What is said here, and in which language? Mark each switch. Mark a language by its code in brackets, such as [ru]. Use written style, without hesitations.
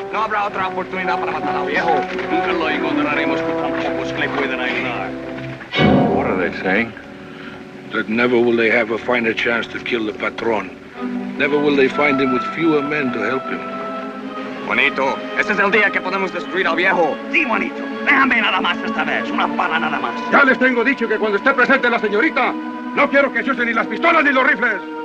[es] No habrá otra oportunidad para matar al viejo. Nunca lo encontraremos con tantos chicos que le pueden ayudar. [en] What are they saying? That never will they have a finer chance to kill the patron. Never will they find him with fewer men to help him. [es] Juanito, este es el día que podemos destruir al viejo. Sí, Juanito. Déjame nada más esta vez. Una pala nada más. Ya les tengo dicho que cuando esté presente la señorita, no quiero que se usen ni las pistolas ni los rifles.